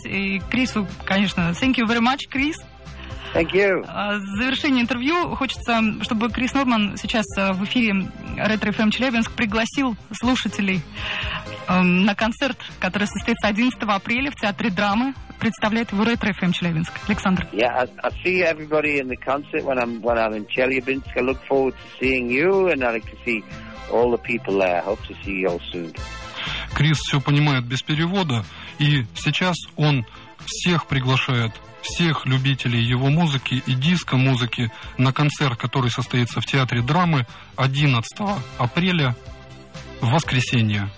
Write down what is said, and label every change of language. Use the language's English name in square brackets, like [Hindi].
[Russian] И Крису, конечно, [English] thank you very much, [Russian] Крис. [English] Thank you. [Russian] Завершение интервью. Хочется, чтобы Крис Норман сейчас в эфире Retro FM Челябинск пригласил слушателей на концерт, который состоится 11 апреля в Театре драмы. Представляет его Retro FM Челябинск. Александр. [English] Yeah, I see everybody in the concert when I'm in Chelyabinsk. I look forward to seeing you, and I'd like to see all the people there. I hope to see you all soon. [Russian] Крис все понимает без перевода, и сейчас он всех приглашает, всех любителей его музыки и диско-музыки на концерт, который состоится в Театре драмы 11 апреля в воскресенье.